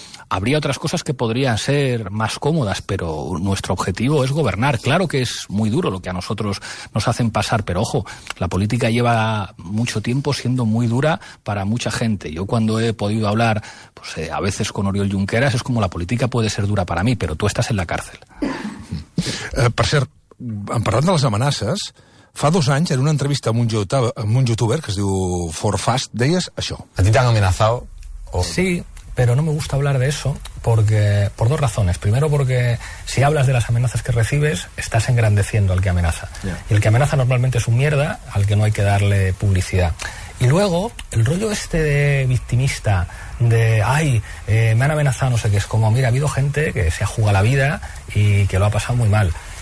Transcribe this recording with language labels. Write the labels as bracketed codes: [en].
[es] Habría otras cosas que podrían ser más cómodas, pero nuestro objetivo es gobernar. Claro que es muy duro lo que a nosotros nos hacen pasar, pero ojo, la política lleva mucho tiempo siendo muy dura para mucha gente. Yo cuando he podido hablar, pues a veces con Oriol Junqueras, es como, la política puede ser dura para mí, pero tú estás en la cárcel. [ca] Per cert, en parlant de les amenaces, fa 2 anys, en una entrevista amb un youtuber que es diu Forfast, deies això. [es] ¿A ti te han amenazado? ¿O? Sí, pero no me gusta hablar de eso porque por 2 razones. Primero, porque si hablas de las amenazas que recibes, estás engrandeciendo al que amenaza. Yeah. Y el que amenaza normalmente es un mierda al que no hay que darle publicidad. Y luego, el rollo este de victimista, de, ay, me han amenazado, no sé qué, es como, mira, ha habido gente que se ha jugado la vida y que lo ha pasado muy mal.